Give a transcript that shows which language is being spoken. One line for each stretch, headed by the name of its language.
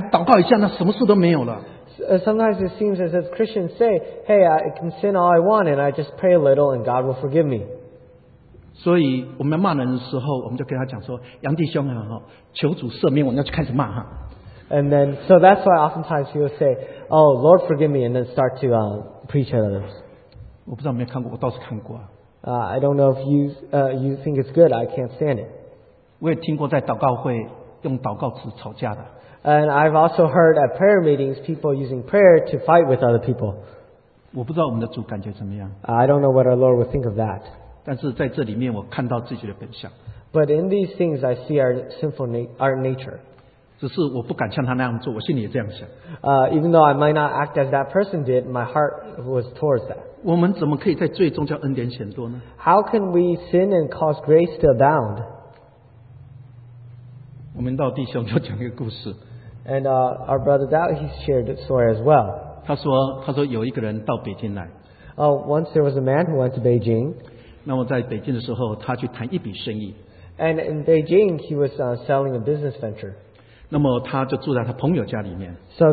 Chinese: 有时候我们看见的情况底下，好像基督徒相信说，不管犯什么罪，只要来祷告一下，那什么事都没有了。
English: Sometimes it seems as if Christians say, hey, I can sin all I want, and I just pray a little, and God will forgive me.
Chinese: 所以我们骂人的时候，我们就跟他讲说，杨弟兄啊，求主赦免我，要去开始骂哈。
English: And then, so that's why oftentimes he'll say, oh, Lord, forgive me, and then start to preach at others.
Chinese: 我不知道有没有看过，我倒是看过。
English: I don't know if you think it's good, I can't stand it.
Chinese: 我也听过在祷告会用祷告词吵架的。
English: And I've also heard at prayer meetings, people using prayer to fight with other people.
Chinese: 我不知道我们的主感觉怎么样。
English: I don't know what our Lord would think of that.
Chinese: 但是在这里面我看到自己的本相。
English: But in these things, I see our nature.
Chinese: 只是我不敢像他那样做，我心里也这样想。
English: Even though I might not act as that person did, my heart was towards that.
Chinese: 我们怎么可以在罪中叫恩典显多呢？
English: How can we sin and cause grace to abound?
Chinese: 我们到弟兄就讲一个故事。
English: And our brother Dow, he shared a story as well.
Chinese: 他说有一个人到北京来。
English: Once there was a man who went to Beijing.
Chinese: 那么在北京的时候，他去谈一笔生意。
English: And in Beijing, he was selling a business venture.
Chinese: 那么他就住在他朋友家里面。So